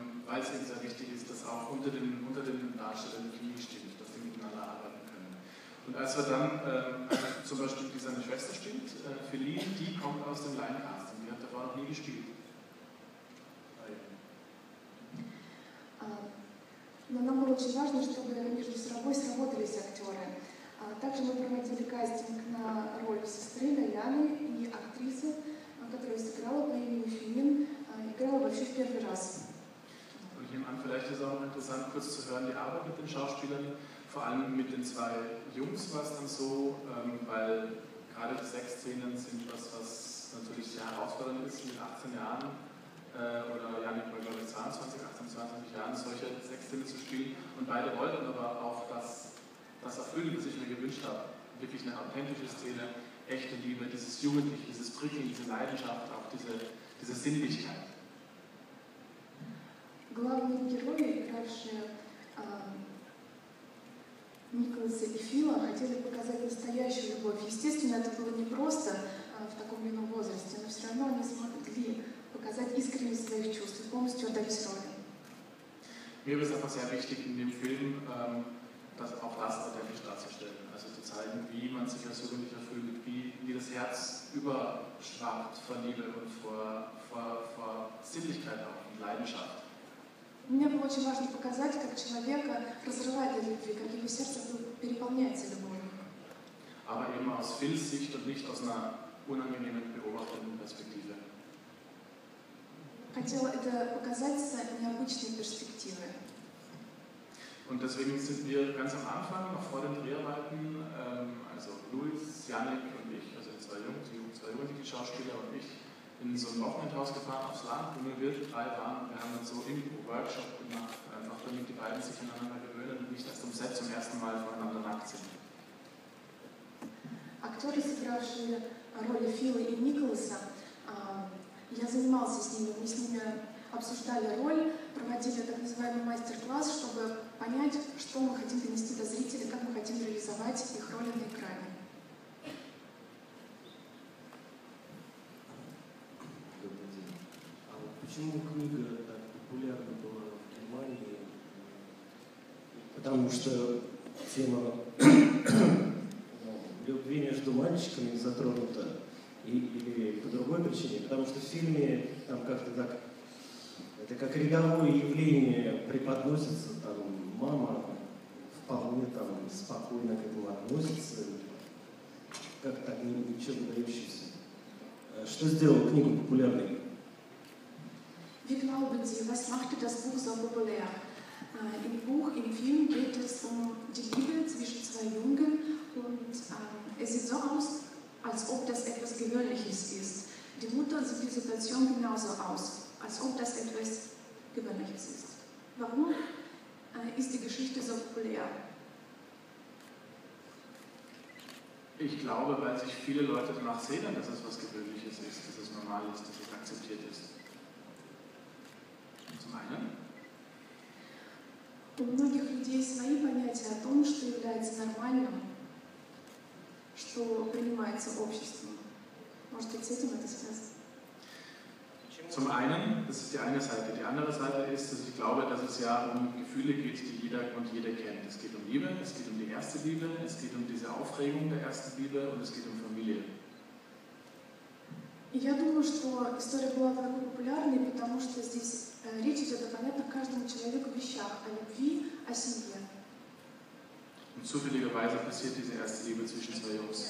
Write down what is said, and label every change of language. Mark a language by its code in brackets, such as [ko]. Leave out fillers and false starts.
[de] Weil es eben sehr wichtig ist, dass auch unter den Darstellern Chemie stimmt, dass sie miteinander arbeiten können. Und als wir dann zum Beispiel die seine Schwester spielt, Feline, die kommt aus dem Line-Casting, die hat davor noch nie gespielt. [ru] Но нам было очень важно, чтобы между собой сработались актеры. Также мы проводили кастинг на роль сестры Наяны, и актриса, которая сыграла по имени Фемин, играла вообще в первый раз. [de] Und hier im Anfang vielleicht ist auch interessant, kurz zu hören, die Arbeit mit den Schauspielern, vor allem mit den zwei Jungs war es dann so, weil gerade die Sexszenen sind etwas, was natürlich sehr herausfordernd ist mit 18 Jahren. Oder Janik Möller mit 22 Jahren solche Sexszenen zu spielen. Und beide wollten aber auch das erfüllen, was ich mir gewünscht habe. Wirklich eine authentische Szene, echte Liebe, dieses Jugendliche, dieses Prickeln, diese Leidenschaft, auch diese Sinnlichkeit. [ru] Главные герои, игравшие Николаса и Фила, хотели показать настоящую любовь. Естественно, это было не просто в таком юном возрасте, но все равно они смогли показать искренность своих чувств, полностью отдать роли. Мне было [de] einfach sehr wichtig in dem Film, dass auch das authentisch darzustellen, also zu zeigen, wie man sich als Jugendlicher fühlt, wie das Herz überschwappt vor Liebe und vor Sinnlichkeit auch und Leidenschaft. [ru] Мне было очень важно показать, как человека разрывает от любви, как его сердце переполняется любовью. [de] Aber eben aus Phils Sicht und nicht aus einer unangenehmen beobachtenden Perspektive. [ru] Хотела это показать с необычной перспективы. [de] Und deswegen sind wir ganz am Anfang, noch vor den Dreharbeiten, also Louis, Janik und ich, also die zwei jungen Schauspieler und ich, in so ein Wochenendhaus gefahren aufs Land, wo wir drei waren. Wir haben uns so im Workshop gemacht, einfach damit die beiden sich aneinander gewöhnen und nicht erst am Set zum ersten Mal voneinander nackt sind. [ru] Актеры, сыгравшие роли Фила и Николаса, я занимался с ними, мы с ними обсуждали роль, проводили так называемый мастер-класс, чтобы понять, что мы хотим донести до зрителей, как мы хотим реализовать их роли на экране. Добрый день. А вот почему книга так популярна была в Германии? Потому что тема любви между мальчиками затронута. Или по другой причине, потому что в фильме там как-то так Это как рядовое явление преподносится, там мама вполне там спокойно к этому относится, как-то ничего не дающийся. Что сделало книгу популярной? [de] Wie glauben Sie, was machte das Buch so populär? Im Buch, im Film geht es um die Liebe zwischen zwei Jungen und es sieht so aus, als ob das etwas Gewöhnliches ist. Die Mutter sieht die Situation genauso aus, als ob das etwas Gewöhnliches ist. Warum ist die Geschichte so populär? Ich glaube, weil sich viele Leute danach sehnen, dass es was Gewöhnliches ist, dass es normal ist, dass es akzeptiert ist. Zum einen. [ru] У многих людей свои понятия о том, что является нормальным, что принимается обществом. Может быть, с этим это связано? [de] Zum einen, das ist die eine Seite. Die andere Seite ist, dass ich glaube, dass es ja um Gefühle geht, die jeder und jede kennt. Es geht um Liebe, es geht um die erste Liebe, es geht um diese Aufregung der ersten Liebe und es geht um Familie. [ru] Я думаю, что история была так популярной, потому что здесь речь идет о понятных каждому человеку вещах, о любви, о семье. [de] Und zufälligerweise passiert diese erste Liebe zwischen zwei Jungs.